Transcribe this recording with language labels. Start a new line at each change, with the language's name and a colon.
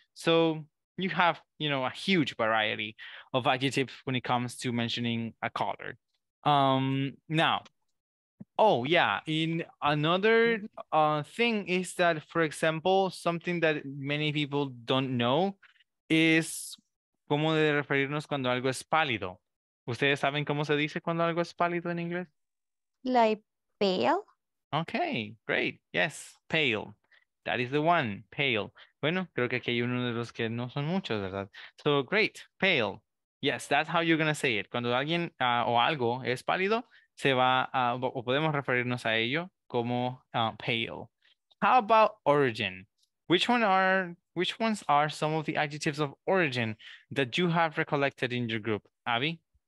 English: So you have, you know, a huge variety of adjectives when it comes to mentioning a color. Now, oh yeah, in another thing is that, for example, something that many people don't know is cómo de referirnos cuando algo es pálido.
Spanish: ¿Ustedes saben cómo se dice cuando algo es pálido en inglés?
English: Like pale. Okay, great. Yes, pale. That is the one, pale.
Spanish: Bueno, creo que aquí hay uno de los que no son muchos, ¿verdad?
English: So great, pale. Yes, that's how you're going to say it.
Spanish: Cuando alguien o algo es pálido, se va a, o podemos referirnos a ello como pale.
English: How about origin? Which ones are some of the adjectives of origin that you have recollected in your group, Abby?